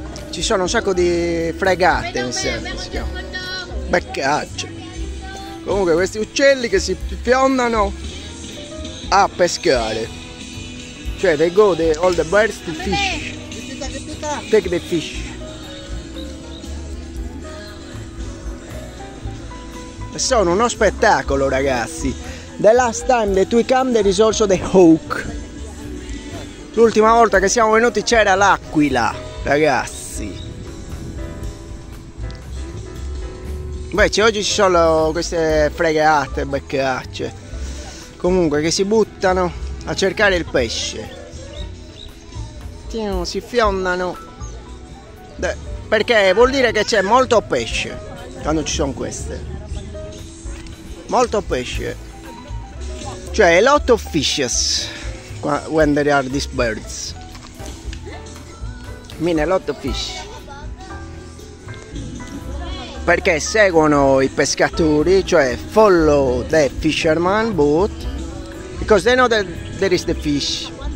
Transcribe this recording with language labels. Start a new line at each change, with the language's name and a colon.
Italian: Ci sono un sacco di fregate insieme, si chiama. Beccaccio. Comunque questi uccelli che si fiondano a pescare.
English: Cioè they go the, all the birds to fish. Take the fish.
Italian: Sono uno spettacolo ragazzi.
English: The last time that we come there is also the hawk.
Italian: L'ultima volta che siamo venuti c'era l'aquila, ragazzi. Beh, cioè, oggi ci sono queste fregate, beccacce. Comunque che si buttano a cercare il pesce. Tieno, si fiondano. Perché vuol dire che c'è molto pesce quando ci sono queste. Molto pesce,
English: cioè a lot of fishes when there are these birds. Mean a lot of fish.
Italian: Perché seguono i pescatori,
English: cioè follow the fisherman boat, because they know that there is the fish.